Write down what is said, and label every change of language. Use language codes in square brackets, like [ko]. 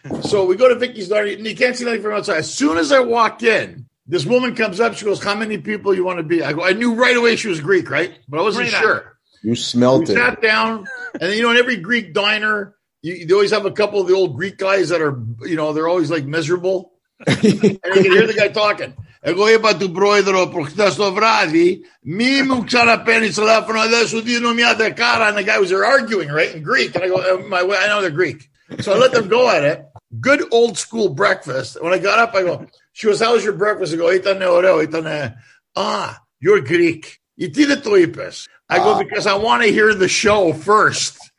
[en] So we go to Vicky's Diner, and you can't see anything from outside. As soon as I walk in, this woman comes up. She goes, how many people you want to be? I go, I knew right away she was Greek, right? But I wasn't sure. You smelled it. We sat down, and you know, in every Greek diner, they always have a couple of the old Greek guys that are, you know, they're always like miserable. And you can hear the guy talking. I go, [el] είπα του πρόεδρο προχτές το βράδυ, μη μου ξαναπαίνεις τηλέφωνο, δεν σου δίνω μια δεκάρα. [en] And the guy was there arguing, right, in Greek. And I go, I know they're Greek. So I let them go at it. Good old school breakfast. When I got up, I go, she goes, how was your breakfast? I go, [el] ήταν ωραίο, ήταν, [en] you're Greek. [el] Τι δεν το είπες? [en] I go, because I want to hear the show first.